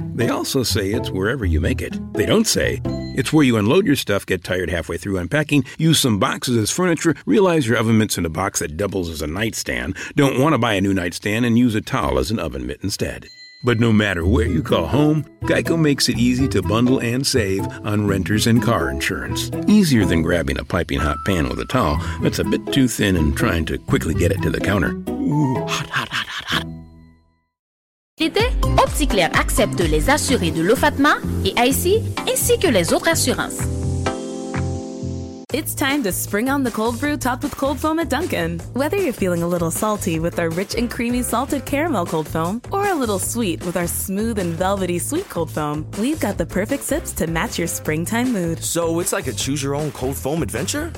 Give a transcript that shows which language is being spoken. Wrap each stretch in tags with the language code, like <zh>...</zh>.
<en>They also say it's wherever you make it. They don't say. It's where you unload your stuff, get tired halfway through unpacking, use some boxes as furniture, realize your oven mitt's in a box that doubles as a nightstand, don't want to buy a new nightstand, and use a towel as an oven mitt instead. But no matter where you call home, Geico makes it easy to bundle and save on renters and car insurance. Easier than grabbing a piping hot pan with a towel that's a bit too thin and trying to quickly get it to the counter. Ooh, hot.</en> <fr>Été, OptiClear accepte les assurés de l'OFATMA et IC ainsi que les autres assurances.</fr> <en>It's time to spring on the cold brew topped with cold foam at Dunkin'. Whether you're feeling a little salty with our rich and creamy salted caramel cold foam, or a little sweet with our smooth and velvety sweet cold foam, we've got the perfect sips to match your springtime mood. So it's like a choose-your-own cold foam adventure?</en>